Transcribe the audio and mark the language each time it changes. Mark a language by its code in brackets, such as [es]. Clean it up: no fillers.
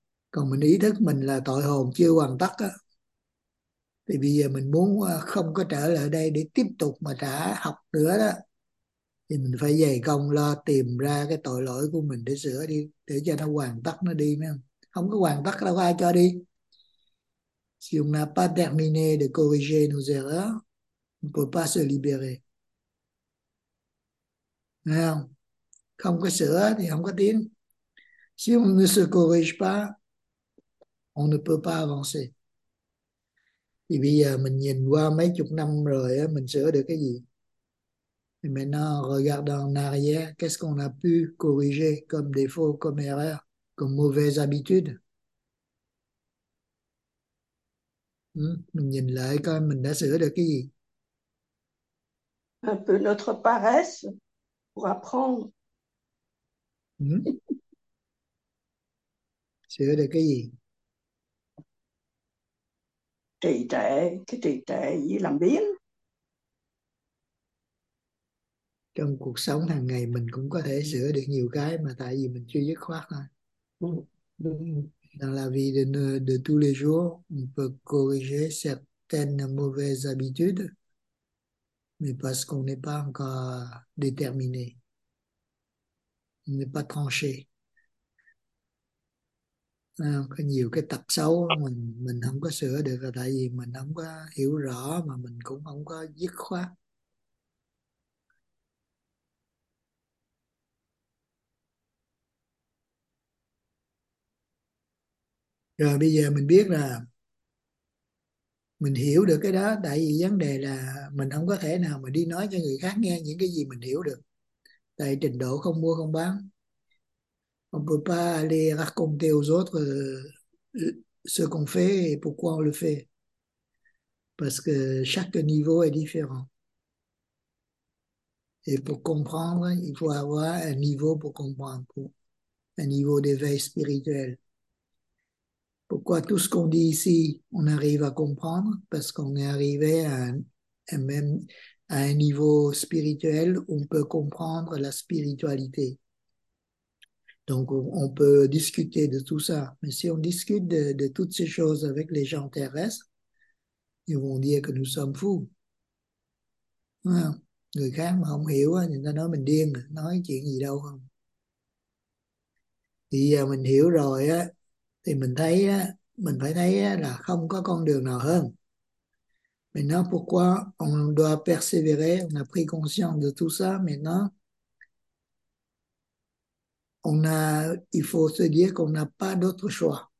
[vi] Còn mình ý thức mình là tội hồn chưa hoàn tất á, thì bây giờ mình muốn không có trở lại đây để tiếp tục mà trả học nữa đó, thì mình phải dày công lo tìm ra cái tội lỗi của mình để sửa đi, để cho nó hoàn tất nó đi. Không có hoàn tất đâu, ai cho đi. [fr] Si on n'a pas terminé de corriger nos erreurs, on ne peut pas se libérer. [vi] Không? Không có sửa thì không có tiến. [fr] Si on ne se corrige pas, on ne peut pas avancer. [vi] Thì bây giờ mình nhìn qua mấy chục năm rồi, mình sửa được cái gì? [fr] Et maintenant, regardons en arrière, qu'est-ce qu'on a pu corriger comme défaut, comme erreur, comme mauvaise habitude? [vi] Mình nhìn lại coi mình đã sửa được cái gì. [fr] Un peu notre paresse pour apprendre. [vi] Sửa được cái gì? Trệ, cái trệ trệ với làm biếng. Trong cuộc sống hàng ngày mình cũng có thể sửa được nhiều cái mà tại vì mình chưa dứt khoát thôi. [fr] Dans la vie de tous les jours, on peut corriger certaines mauvaises habitudes, mais parce qu'on n'est pas encore déterminé, on n'est pas tranché. [vi] À, có nhiều cái tật xấu mình không có sửa được là tại vì mình không có hiểu rõ mà mình cũng không có dứt khoát. Rồi bây giờ mình biết là mình hiểu được cái đó, tại vì vấn đề là mình không có thể nào mà đi nói cho người khác nghe những cái gì mình hiểu được. Tại trình độ không mua không bán. [fr] On peut pas aller raconter aux autres ce qu'on fait et pourquoi on le fait. Parce que chaque niveau est différent. Et pour comprendre, il faut avoir un niveau pour comprendre, pour un niveau d'éveil spirituel. Pourquoi tout ce qu'on dit ici, on arrive à comprendre? Parce qu'on est arrivé à un niveau spirituel où on peut comprendre la spiritualité. Donc, on peut discuter de tout ça. Mais si on discute de toutes ces choses avec les gens terrestres, ils vont dire que nous sommes fous. Voilà. [vi] Người khác mà không hiểu á, người ta nói mình điên, nói chuyện gì đâu không. Thì giờ mình hiểu rồi á, thì mình thấy á, mình phải thấy á, là không có con đường nào hơn. [fr] Maintenant, pourquoi on doit persévérer? On a pris conscience de tout ça. Maintenant, il faut se dire qu'on n'a pas d'autre choix.